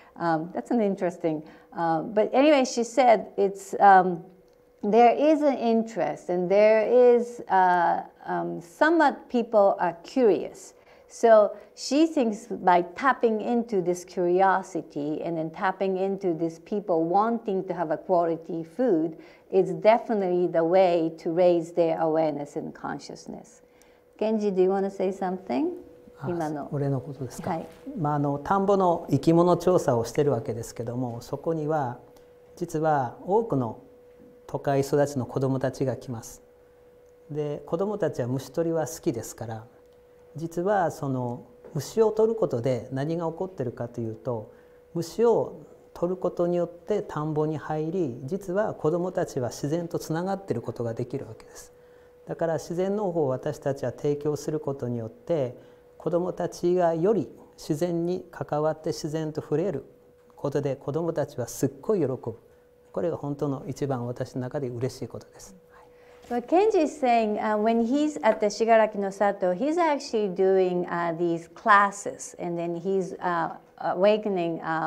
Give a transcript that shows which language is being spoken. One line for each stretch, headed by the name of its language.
English: That's an interesting. But anyway, she said it's, there is an interest, and there is somewhat people are curious. So she thinks by tapping into this curiosity and then tapping into these people wanting to have a quality food is definitely the way to raise their awareness and consciousness. Kenji, do you want to say something?
Japanese: 俺のことですか、はい。まあ、田んぼの生き物調査をしてるわけですけども、そこには実は多くの都会育ちの子どもたちが来ます。で、子どもたちは虫捕りは好きですから、実はその虫を捕ることで何が起こってるかというと、虫を捕ることによって田んぼに入り、実は子どもたちは自然とつながっていることができるわけです。だから自然農法を私たちは提供することによって、子どもたちがより自然に関わって自然と触れることで、子どもたちはすっごい喜ぶ。これが本当の一番私の中で嬉しいことです。
English: Well, Kenji is saying, when he's at the Shigaraki no Sato, he's actually doing these classes, and then he's awakening